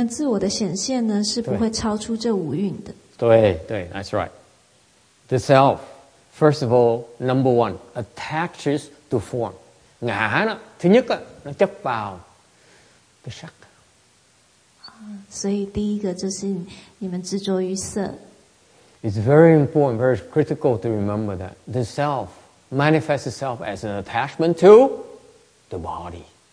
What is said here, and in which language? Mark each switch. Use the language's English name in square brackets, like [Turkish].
[Chinese] 怎么样出现？哦，你们自我的显现呢，是不会超出这五蕴的。 [English] 对，that's right. The self, first of all, number one, attaches to form. [Chinese] 哪呢？第一个，那叫包，个色。所以第一个就是你们执着于色。 [English] It's very important, very critical to remember that the self manifests itself as an attachment to the body.